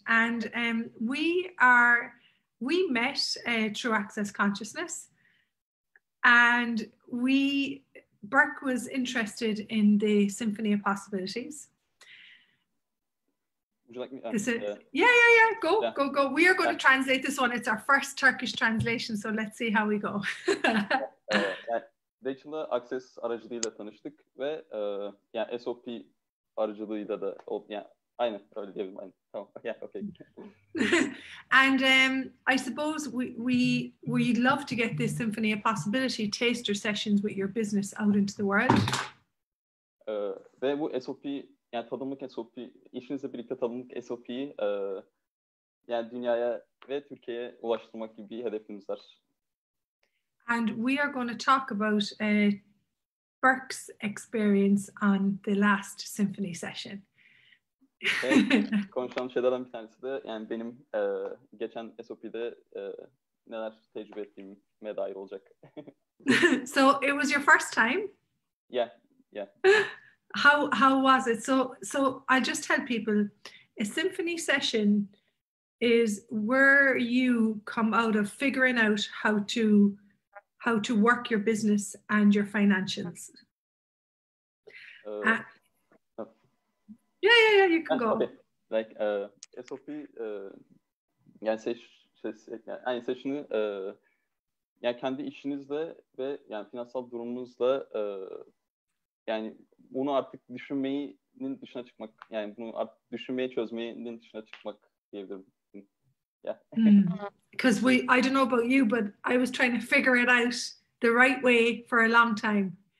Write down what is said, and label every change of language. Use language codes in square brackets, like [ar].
[en] And we met through Access Consciousness, and Berk was interested in the Symphony of Possibilities. Would you like me to go? We are going to translate this one. It's our first Turkish translation, so let's see how we go. [tr] Rachael'la Access aracılığıyla tanıştık ve yani SOP aracılığıyla da [en] And I suppose we'd love to get this Symphony of Possibility taster sessions with your business out into the world. [tr] Ve bu SOP, yani tanımlık SOP, işinizle birlikte tanımlık SOP'yi yani dünyaya ve Türkiye'ye ulaştırmak gibi bir hedefimiz var. [en] And we are going to talk about Burke's experience on the last symphony session. [tr] Konuşan şeylerden bir tanesi de yani benim geçen SOP'de neler tecrübe ettiğime dair olacak. [en] So it was your first time? Yeah, yeah. How was it? So I just tell people, a symphony session is where you come out of figuring out how to work your business and your financials. You can go. Okay. [tr] Like SOP, yani session'ı yani kendi işinizle ve yani finansal durumunuzla yani bunu artık düşünmeyinin dışına çıkmak, yani bunu artık düşünmeyi çözmeyinin dışına çıkmak diyebilirim. [en] Because I don't know about you, but I was trying to figure it out the right way for a long time.